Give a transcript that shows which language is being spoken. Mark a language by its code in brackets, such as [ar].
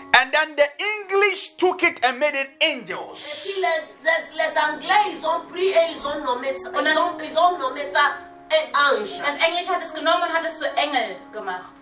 [en] And then the English took it and made it angels. [fr] Et puis les Anglais ils ont pris et ils ont nommé ça. Ils ont nommé ça un ange. [de] Das Englisch hat es genommen und hat es zu Engel gemacht.